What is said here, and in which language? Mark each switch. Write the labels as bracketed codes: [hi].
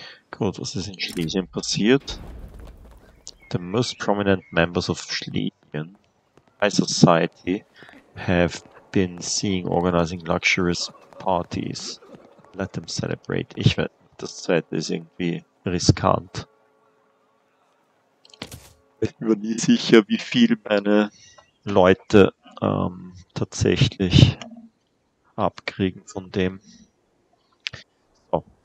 [de] Gut, was ist in Schlesien passiert? [en] The most prominent members of Schlesien High Society have been seeing organizing luxurious parties. Let them celebrate. [de] Ich weiß, das zweite ist irgendwie riskant. Ich bin mir nie sicher, wie viel meine Leute tatsächlich abkriegen von dem. So.